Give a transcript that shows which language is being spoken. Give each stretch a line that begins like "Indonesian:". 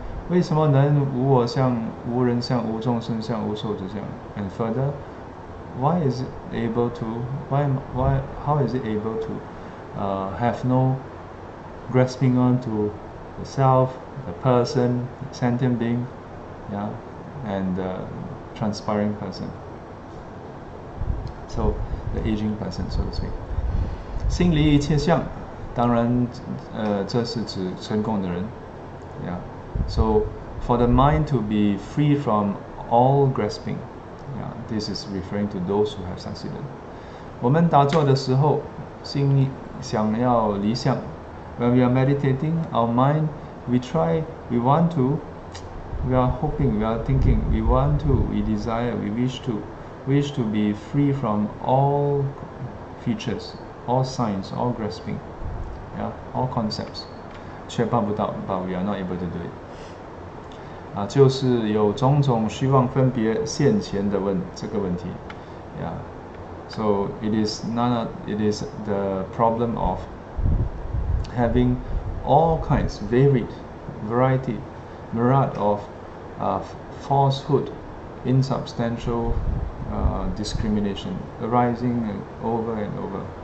Chinese: 为什么能无我相无人相无众生相无寿者相?
English: And further, how is it able to have no grasping on to the self, the person, the sentient being, yeah, and transpiring person. So the aging person, so to speak.
Chinese: 心理一切相，当然，这是指成功的人。
English: Yeah. So for the mind to be free from all grasping, yeah, this is referring to those who have succeeded.
Chinese: 我们打坐的时候，心里想要离相。
English: When we are meditating, our mind, we wish to be free from all features, all signs, all grasping, yeah, all concepts.
Chinese: 却办不到
English: but we are not able to do it.
Chinese: 啊，就是有种种虚妄分别现前的这个问题 yeah.
English: So it is the problem of having all kinds, varied variety, myriad of falsehood, insubstantial discrimination arising over and over.